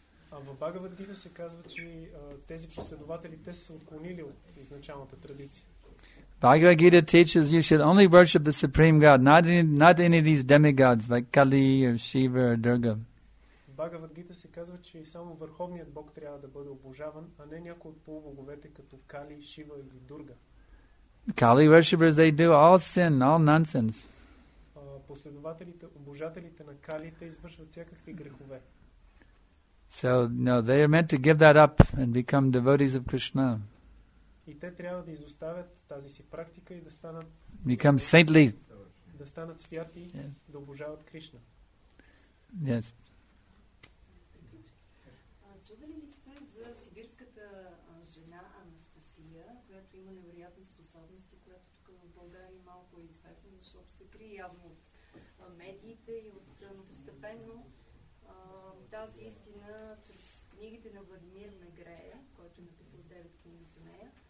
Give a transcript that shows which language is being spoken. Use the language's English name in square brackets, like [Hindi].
[Bulgarian] В Бхагавад Гита се казва, че тези последователи те са отклонили от изначалната традиция. [English] Bhagavad Gita teaches you should only worship the Supreme God, not any of these demigods like Kali or Shiva or Durga. [Bulgarian] Bhagavad Gita се казва, че само върховният Бог трябва да бъде обожаван, а не някой от полубоговете като Кали, Шива или Дурга. [English] Kali worshippers, they do all sin, all nonsense. [Bulgarian] Последователите, обожателите на Кали, те извършват всякакви грехове. [English] So, no, they are meant to give that up and become devotees of Krishna. [Bulgarian] И те трябва да изоставят тази си практика и да станат [English] become saintly. [Bulgarian] Да станат святи, yeah. Да обожават Кришна. [English] Yes. [Bulgarian] Чували ли сте за сибирската жена Анастасия, която има невероятни способности, която тук в България малко е известна, защото се крие явно от медиите и от постепенно тази истина чрез книгите на Владимир Мегрея, който е написал 9 книги за нея.